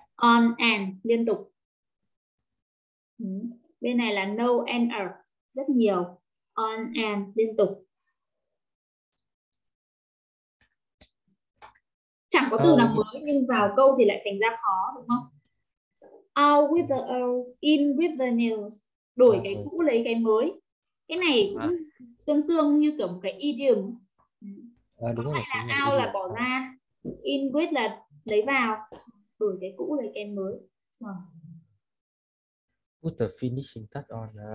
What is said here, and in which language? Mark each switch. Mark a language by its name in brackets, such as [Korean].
[English] On end, [Vietnamese] liên tục. Bên này là [English] no end of, [Vietnamese] rất nhiều. [English] On end, [Vietnamese] liên tục. Chẳng có từ nào mới nhưng vào câu thì lại thành ra khó, đúng không? [English] Out with the old, in with the new. [Vietnamese] Đổi cái cũ lấy cái mới. Cái này cũng tương tương như kiểu một cái idiom. Đúng rồi, là out là bỏ sao? Ra, in with là lấy vào, đổi cái cũ lấy cái mới. [English] Put the finishing touch on.